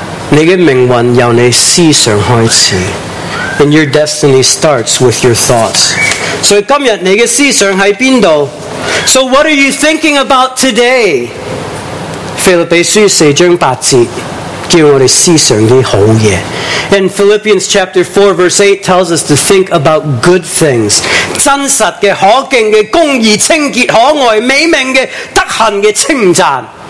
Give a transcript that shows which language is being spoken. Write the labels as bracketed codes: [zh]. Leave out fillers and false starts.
[zh] 你的命运由你思想开始。 [en] And your destiny starts with your thoughts. [zh] So 今天你的思想在哪里？ [en] So what are you thinking about today? [zh] 腓立比书四章八节叫我们思想的好东西。 [en] And Philippians chapter 4 verse 8 tells us to think about good things. [zh] 真实的、可敬的、公义、清洁、可爱、美名的、得行的、称赞。